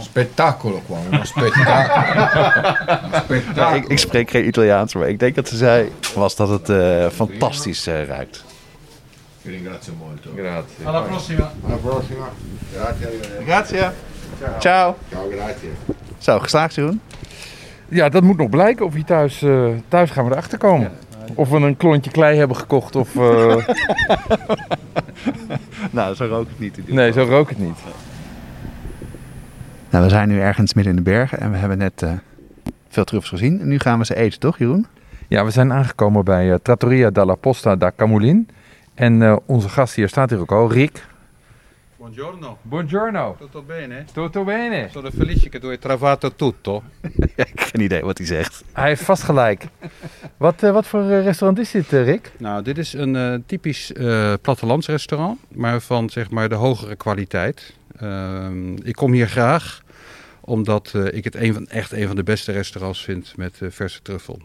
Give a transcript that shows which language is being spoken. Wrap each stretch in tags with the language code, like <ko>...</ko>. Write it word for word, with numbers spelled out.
<it>Spettacolo qua, uno spettacolo.</it> <nl>Ja, ik, ik spreek geen Italiaans, maar ik denk dat ze zei was dat het uh, fantastisch uh, ruikt.</nl> <it>Ik ringrazio molto. Grazie. Alla prossima. Alla prossima. Grazie. Grazie. Ciao. Ciao, grazie.</it> <nl>Zo, geslaagd Jeroen? Ja, dat moet nog blijken of je thuis, uh, thuis gaan we erachter komen. Ja. Of we een klontje klei hebben gekocht of... Uh... nou, zo rook het niet. In nee, zo rook het niet. Nou, we zijn nu ergens midden in de bergen en we hebben net uh, veel truffels gezien. En nu gaan we ze eten, toch Jeroen? Ja, we zijn aangekomen bij uh, Trattoria della Posta da Camulin. En uh, onze gast hier staat hier ook al, Rick.</nl> <it>Buongiorno. Buongiorno. Tutto bene? Tutto bene. Sono felice che tu hai travato tutto.</it> <nl>Geen idee wat hij zegt. Hij heeft vast gelijk. Wat, uh, wat voor restaurant is dit, uh, Rick? Nou, dit is een uh, typisch uh, plattelandsrestaurant, maar van zeg maar de hogere kwaliteit. Uh, ik kom hier graag, omdat uh, ik het een van, echt een van de beste restaurants vind met uh, verse truffel.</nl>